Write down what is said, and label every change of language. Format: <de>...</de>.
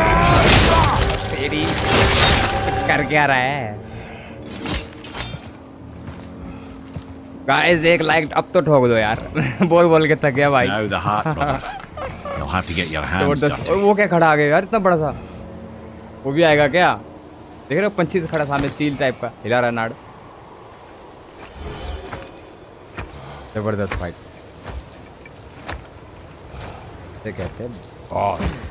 <hi>तेरी कर क्या रहा है गाइस, एक लाइक अब तो ठोक दो यार बोल के थक गया भाई।</hi> <en>You'll have to get your hands done.</en> <hi>और वो क्या खड़ा आ गया यार, इतना बड़ा सा वो भी आएगा क्या? देख रहे हो पंछी से खड़ा सामने, चील टाइप का हिला रहा नाड़। जबरदस्त फाइट से कहते हैं।</hi>